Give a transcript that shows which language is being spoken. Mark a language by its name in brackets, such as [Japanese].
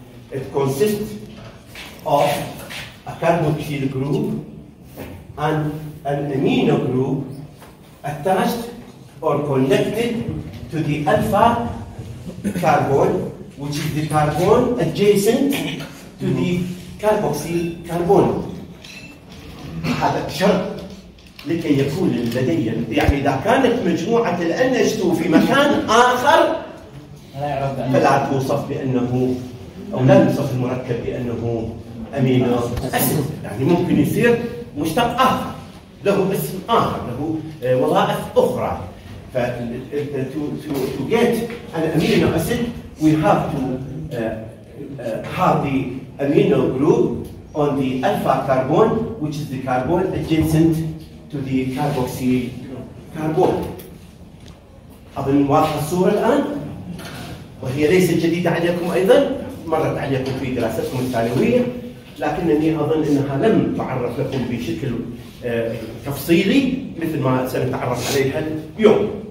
[English] It consists of a carboxyl group and an amino group attached or connected to the alpha carbon, which is the carbon adjacent to the carboxyl carbon. [Arabic] هذا الشرط لكي يكون لدي. يعني إذا كانت مجموعة الNH2 في مكان آخر فلا توصف بأنه أو لا نوصف المركب بأنه أمينو أسيد. يعني ممكن يصير مشتق آخر له اسم آخر له وظائف أخرى. [English] To get an amino acid we have to have the amino group on the alpha carbon which is the carbon adjacent to the carboxyl carbon. [Arabic] أظن واضح الصورة الآن وهي ليست جديدة عليكم أيضا مرت عليكم في دراستكم الثانوية لكنني أظن أنها لم تعرف لكم بشكل تفصيلي مثل ما سنتعرف عليها اليوم.